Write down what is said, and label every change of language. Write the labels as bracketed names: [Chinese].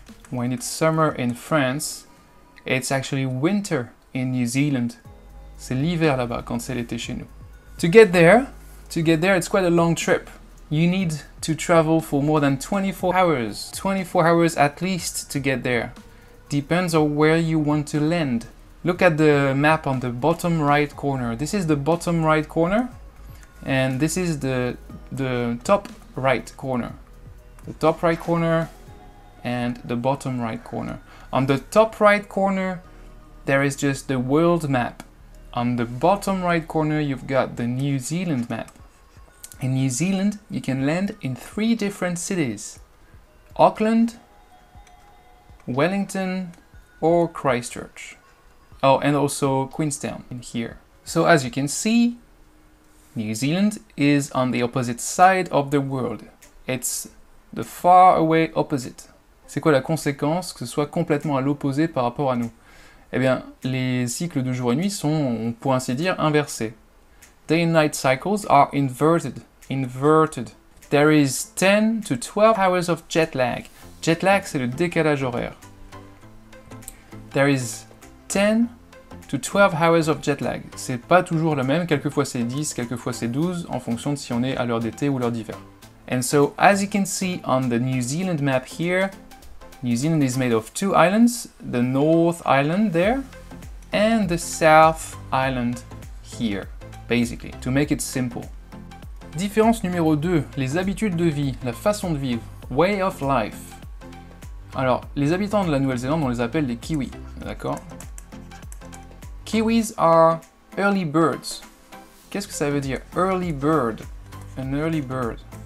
[English] When it's summer in France, it's actually winter in New Zealand. [French] C'est l'hiver là-bas quand c'est l'été chez nous. [English] To get there, it's quite a long trip. You need to travel for more than 24 hours. 24 hours at least to get there. Depends on where you want to land. Look at the map on the bottom right corner. This is the bottom right corner. And this is the top right corner. The top right corner and the bottom right corner. On the top right corner, there is just the world map. On the bottom right corner, you've got the New Zealand map. In New Zealand, you can land in three different cities. Auckland, Wellington, or Christchurch. Oh, and also Queenstown in here. So as you can see, New Zealand is on the opposite side of the world. It's the far away opposite. [French] C'est quoi la conséquence que ce soit complètement à l'opposé par rapport à nous? Eh bien, les cycles de jour et nuit sont, on pourrait ainsi dire, inversés. [English] Day and night cycles are inverted. Inverted. There is 10 to 12 hours of jet lag. Jet lag, [French] c'est le décalage horaire. [English] There is 10 to 12 hours of jet lag. [French] C'est pas toujours le même, quelquefois c'est 10, quelquefois c'est 12, en fonction de si on est à l'heure d'été ou l'heure d'hiver. [English] And so, as you can see on the New Zealand map here, New Zealand is made of two islands, the North Island there, and the South Island here, basically, to make it simple. [French] Différence numéro 2, les habitudes de vie, la façon de vivre, [English] way of life. [French] Alors, les habitants de la Nouvelle-Zélande, on les appelle les Kiwis, d'accord? [English] Kiwis are early birds. [French] Qu'est-ce que ça veut dire, [English] early bird? An early bird.